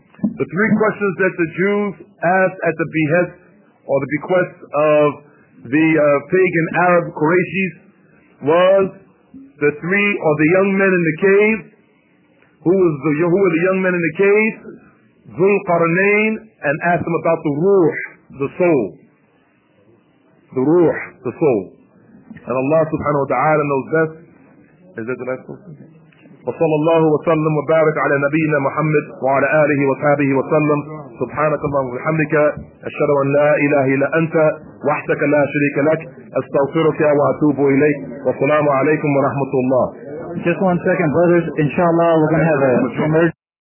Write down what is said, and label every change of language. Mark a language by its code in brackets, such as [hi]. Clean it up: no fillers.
[en] The three questions that the Jews asked at the behest or the bequest of the pagan Arab Qurayshis was the three or the young men in the cave. Who were the young men in the cave? Zulqarnain, and asked them about the ruh, the soul. The ruh, the soul. And Allah subhanahu wa ta'ala knows best. Is that the last question? [ar] وصلى الله وسلم وبارك على نبينا محمد وعلى آله وصحبه وسلم سبحانك اللهم وبحمدك أشهد أن لا إله إلا أنت وحدك لا شريك لك أستغفرك وأتوب إليك والسلام عليكم ورحمة الله. [en] Just one second, brothers. Inshallah, we're going to have an emergency.